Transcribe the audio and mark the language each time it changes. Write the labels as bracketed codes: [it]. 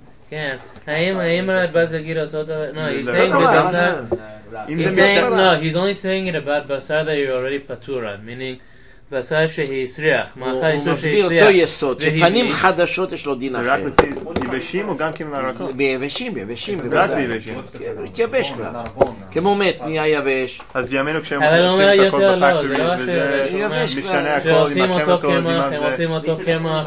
[he] כן, האם הרדב"ז יגיד אותו דבר? לא, הוא saying בבשר... [en] No, he's only saying it about בשר that you're already פטורה, meaning [he] בשר שהסריח, מאכל איסור שהסריח. הוא מסביר אותו יסוד, שפנים חדשות יש לו דין אחר. זה רק ביבשים או גם כמו הרכות? ביבשים, ביבשים. רק ביבשים. הוא התייבש כבר. כמו מת, נהיה יבש. אז בימינו כשהם עושים את הכל בפקטוריז, וזה משנה הכל עם הקמקול, עושים אותו קמח, עושים אותו קמח,